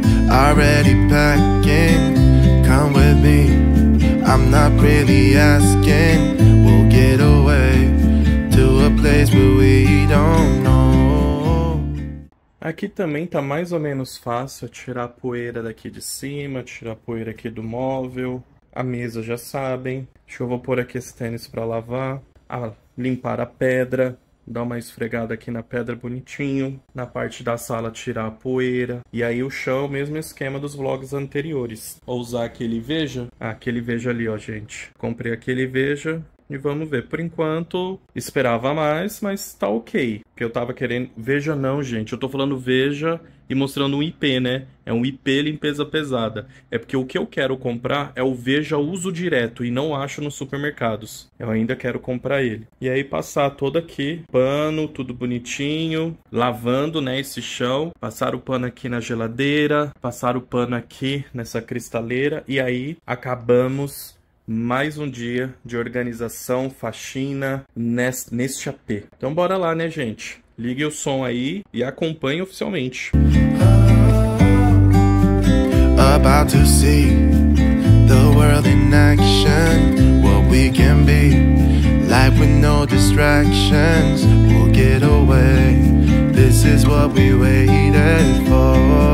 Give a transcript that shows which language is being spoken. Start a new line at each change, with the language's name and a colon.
English: Already packing, come with me. I'm not really asking. We'll get away to a place where we don't know.
Portuguese: Aqui também tá mais ou menos fácil tirar a poeira daqui de cima, tirar a poeira aqui do móvel. A mesa já sabem. Deixa eu vou pôr aqui esse tênis para lavar. Ah, limpar a pedra. Dá uma esfregada aqui na pedra bonitinho. Na parte da sala, tirar a poeira. E aí, o chão, mesmo esquema dos vlogs anteriores. Vou usar aquele veja. Ah, aquele veja ali, ó, gente. Comprei aquele veja. E vamos ver. Por enquanto, esperava mais, mas tá ok. Porque eu tava querendo. Veja não, gente. Eu tô falando veja e mostrando um IP, né? É um IP limpeza pesada. É porque o que eu quero comprar é o veja uso direto e não acho nos supermercados. Eu ainda quero comprar ele. E aí, passar todo aqui, pano, tudo bonitinho, lavando, né, esse chão. Passar o pano aqui na geladeira, passar o pano aqui nessa cristaleira. E aí, acabamos mais um dia de organização, faxina neste AP. Então, bora lá, né, gente? Ligue o som aí e acompanhe oficialmente.
English: About to see the world in action. What we can be, life with no distractions. We'll get away. This is what we waited for.